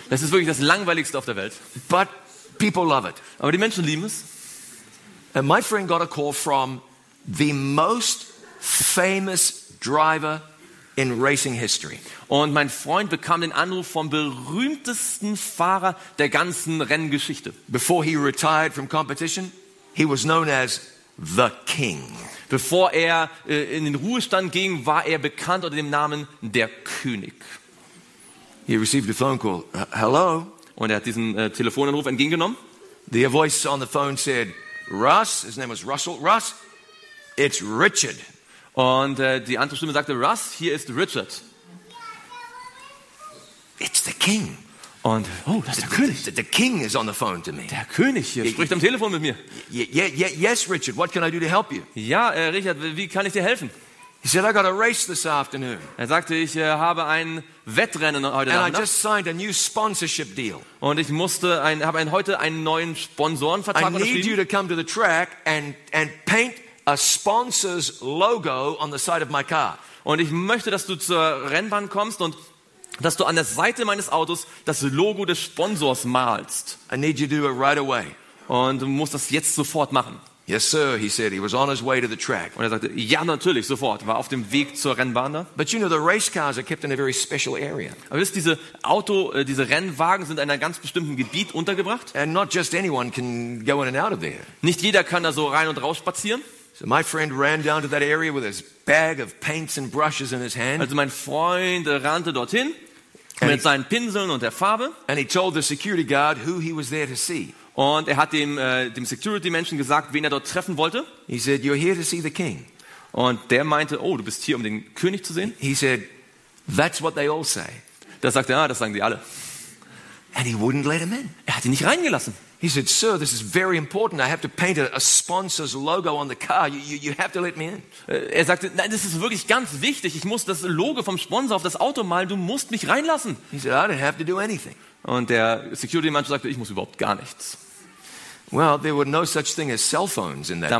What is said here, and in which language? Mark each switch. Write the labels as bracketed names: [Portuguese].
[German] Das ist wirklich das Langweiligste auf der Welt. [English] But people love it. [German] Aber die Menschen lieben es. [English] And my friend got a call from the most famous driver in racing history. [German] Und mein Freund bekam den Anruf vom berühmtesten Fahrer der ganzen Renngeschichte. [English] Before he retired from competition, he was known as the King. [German] Bevor er in den Ruhestand ging, war er bekannt unter dem Namen der König. [English] He received a phone call. Hello. [German] Und er hat diesen Telefonanruf entgegengenommen. [English] The voice on the phone said, Russ, his name was Russell. Russ, It's Richard. [German] Und die andere Stimme sagte, Russ, hier ist Richard. [English] It's the king. [German] Und, oh, das ist der König. [English] The king is on the phone to me. [German] Der König hier spricht am Telefon mit mir. [English] Yes, Richard, what can I do to help you? [German] Ja, Richard, wie kann ich dir helfen? [English] He said, I got a race this afternoon. [German] Er sagte, ich habe ein Wettrennen heute Abend. [English] And I just signed a new sponsorship deal. [German] Und ich musste heute einen neuen Sponsorenvertrag unterschrieben. [English] I need you to come to the track and paint a sponsor's logo on the side of my car. [German] Und ich möchte, dass du zur Rennbahn kommst und dass du an der Seite meines Autos das Logo des Sponsors malst. [English] I need you to do it right away. [German] Und du musst das jetzt sofort machen. [English] Yes, sir, he said. He was on his way to the track. [German] Und er sagte, ja, natürlich, sofort. War auf dem Weg zur Rennbahn da. [English] But you know, the race cars are kept in a very special area. [German] Aber wisst, diese Rennwagen sind in einem ganz bestimmten Gebiet untergebracht. [English] And not just anyone can go in and out of there. [German] Nicht jeder kann da so rein und raus spazieren. [English] So my friend ran down to that area with his bag of paints and brushes in his hand. [German] Also mein Freund rannte dorthin mit seinen Pinseln und der Farbe. [English] And he told the security guard who he was there to see. [German] Und er hat dem Security-Menschen gesagt, wen er dort treffen wollte. [English] He said, you're here to see the king. [German] Und der meinte, oh, du bist hier, um den König zu sehen. [English] He said, that's what they all say. [German] Da sagte er, ah, das sagen die alle. [English] And he wouldn't let him in. [German] Er hat ihn nicht reingelassen. [English] He said, sir, this is very important. I have to paint a sponsor's logo on the car. You have to let me in. [German] Er sagte, nein, das ist wirklich ganz wichtig. Ich muss das Logo vom Sponsor auf das Auto malen. Du musst mich reinlassen. [English] He said, I don't have to do anything. [German] Und der Security-Mann sagte, ich muss überhaupt gar nichts. [English] Well, there were no such thing as cell phones in that